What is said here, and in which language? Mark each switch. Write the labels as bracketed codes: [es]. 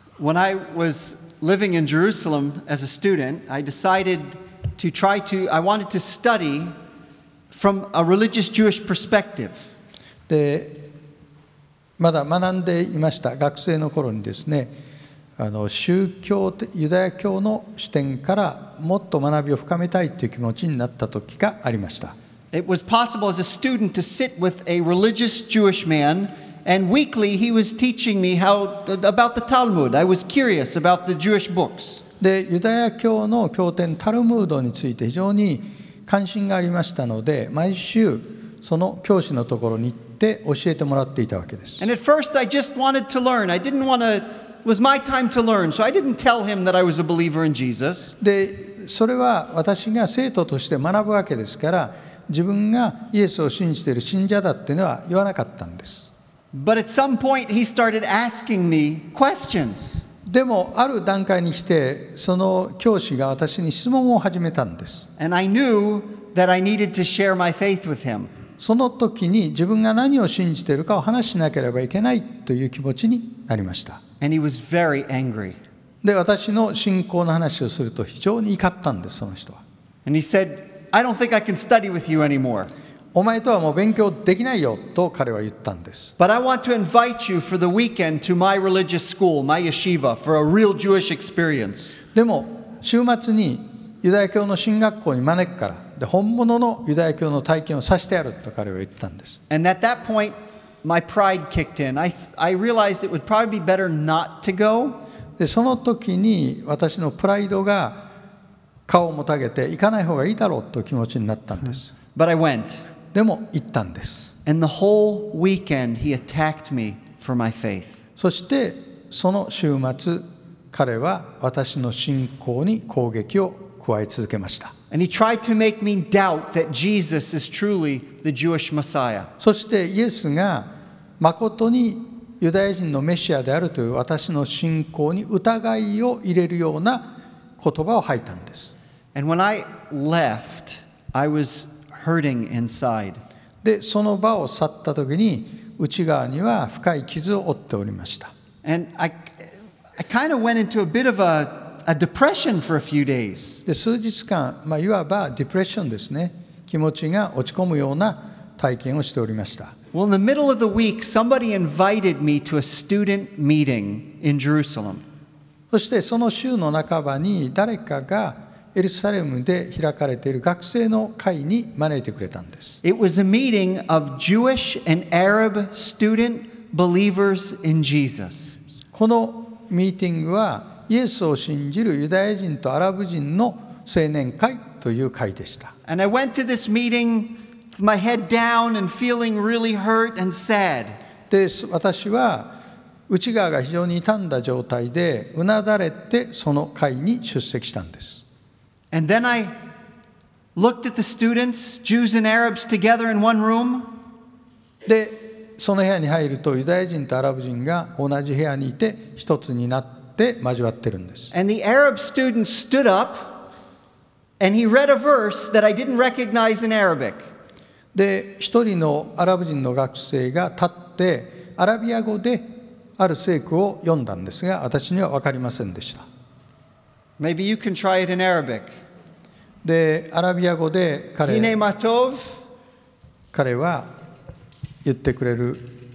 [en] When I was living in Jerusalem as a student, I decided to try to, I wanted to study from a religious Jewish perspective. [ja] で、まだ学んでいました学生の頃にですね、宗教ユダヤ教の視点からもっと学びを深めたいという気持ちになった時がありました。 [en] It was possible as a student to sit with a religious Jewish man, and weekly he was teaching me how about the Talmud. I was curious about the Jewish books. [ja] で、ユダヤ教の経典タルムードについて非常に関心がありましたので、毎週その教師のところに行って教えてもらっていたわけです。 [en] And at first I just wanted to learn. I didn't want toIt was my time to learn, so I didn't tell him that I was a believer in Jesus. [ja] で、それは私が生徒として学ぶわけですから、自分がイエスを信じている信者だっていうのは言わなかったんです。 [en] But at some point he started asking me questions. [ja] でもある段階にして、その教師が私に質問を始めたんです。 [en] And I knew that I needed to share my faith with him. [ja] その時に自分が何を信じているかを話しなければいけないという気持ちになりました。 [en] And he was very angry. [ja] で、私の信仰の話をすると非常に怒ったんです、その人は。 [en] And he said, I don't think I can study with you anymore. [ja] お前とはもう勉強できないよと彼は言ったんです。 [en] But I want to invite you for the weekend to my religious school, my yeshiva, for a real Jewish experience. [ja] でも、週末にユダヤ教の神学校に招くから、で、本物のユダヤ教の体験をさせてやると彼は言ったんです。 [en] And at that point,My pride kicked in. I realized it would probably be better not to go. [ja] で、その時に私のプライドが顔をもたげて行かない方がいいだろうという気持ちになったんです。 [en] But I went. [ja] でも行ったんです。 [en] And the whole weekend he attacked me for my faith. [ja] そしてその週末彼は私の信仰に攻撃を加え続けました。 [en] And he tried to make me doubt that Jesus is truly the Jewish Messiah. [ja] そしてイエスが誠にユダヤ人のメシアであるという私の信仰に疑いを入れるような言葉を吐いたんです。 [en] And when I left, I was hurting inside. [ja] で、その場を去った時に内側には深い傷を負っておりました。 [en] And I kind of went into a bit of a depression for a few days. [ja] で、数日間、まあ、いわばディプレッションですね。気持ちが落ち込むような体験をしておりました。 [en] Well, in the middle of the week, somebody invited me to a student meeting in Jerusalem. [ja] そしてその週の半ばに誰かがエルサレムで開かれている学生の会に招いてくれたんです。 [en] It was a meeting of Jewish and Arab student believers in Jesus. [ja] このミーティングはイエスを信じるユダヤ人とアラブ人の青年会という会でした。 [en] And I went to this meeting with my head down and feeling really hurt and sad. [ja] で、私は内側が非常に傷んだ状態でうなだれてその会に出席したんです。 [en] And then I looked at the students, Jews and Arabs together in one room. [ja] で、その部屋に入るとユダヤ人とアラブ人が同じ部屋にいて一つになって交わってるんです。 [en] And the Arab student stood up and he read a verse that I didn't recognize in Arabic. [ja] で、一人のアラブ人の学生が立ってアラビア語である聖句を読んだんですが、私には分かりませんでした。 [en] Maybe you can try it in Arabic. [ja] で、アラビア語で彼は言ってくれる。